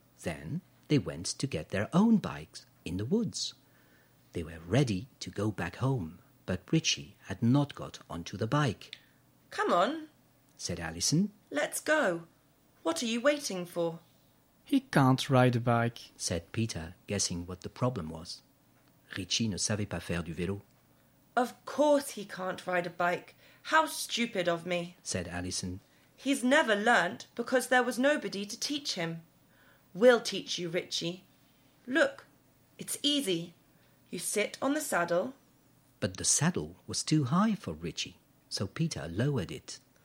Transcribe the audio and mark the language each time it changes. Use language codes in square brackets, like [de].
[en] Then they went to get their own bikes in the woods. They were ready to go back home, but Richie had not got onto the bike. Come on, said Alison. Let's go. What are you waiting for? He can't ride a bike, said Peter, guessing what the problem was. [fr] Richie ne savait pas faire du vélo. [en] Of course he can't ride a bike. How stupid of me, said Alison. He's never learnt because there was nobody to teach him. We'll teach you, Richie. Look, it's easy. You sit on the saddle. But the saddle was too high for Richie, so Peter lowered it.